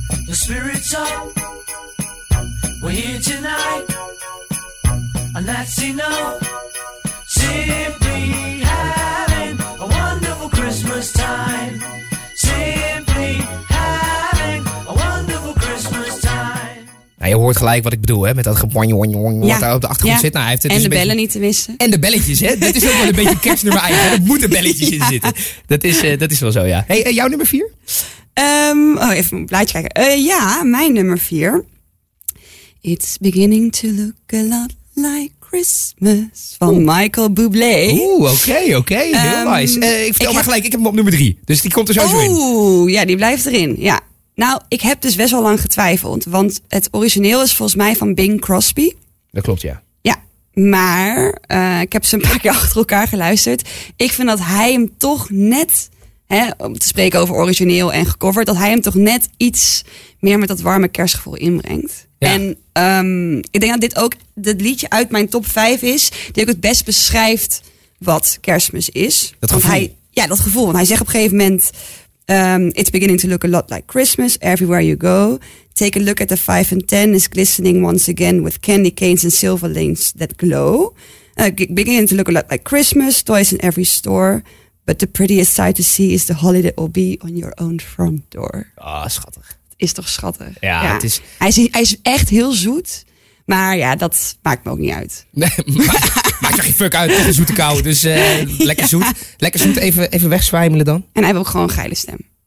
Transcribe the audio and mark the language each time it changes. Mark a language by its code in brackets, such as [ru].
[en] Spirits up, we're here tonight, and that's enough. Simply having a wonderful Christmas time. Simply having a wonderful Christmas time. [nl] Nou, je hoort gelijk wat ik bedoel, hè, met dat wat daar op de achtergrond zit. Nou, hij heeft het en dus de een bellen beetje niet te missen. En de belletjes, hè. Dat is ook wel een beetje kerstnummer eigenlijk. Er moeten belletjes in zitten. Dat is wel zo, ja. Hey, jouw nummer 4? Even een blaadje kijken. Mijn nummer 4. [en] It's beginning to look a lot like Christmas. [nl] Van Michael Bublé. Oké. Heel nice. Ik heb hem op nummer 3. Dus die komt er sowieso in. Die blijft erin. Ja. Nou, ik heb dus best wel lang getwijfeld. Want het origineel is volgens mij van Bing Crosby. Dat klopt, ja. Ja, maar ik heb ze een paar keer achter elkaar geluisterd. Ik vind dat hij hem toch net, hè, om te spreken over origineel en gecoverd, dat hij hem toch net iets meer met dat warme kerstgevoel inbrengt. Ja. En ik denk dat dit ook het liedje uit mijn top 5 is, die ook het best beschrijft wat kerstmis is. Dat gevoel. Dat gevoel. Want hij zegt op een gegeven moment, [en] it's beginning to look a lot like Christmas everywhere you go. Take a look at the 5 and 10 is glistening once again with candy canes and silver lanes that glow. Beginning to look a lot like Christmas, toys in every store. But the prettiest sight to see is the holly that will be on your own front door. [nl] Ah, schattig. Is toch schattig? Ja, ja. Het is. Hij is echt heel zoet. Maar ja, dat maakt me ook niet uit. Nee, maakt toch geen fuck uit. Toch een zoete kou. Dus lekker zoet. Lekker zoet. Even wegzwijmelen dan. En hij wil ook gewoon een geile stem.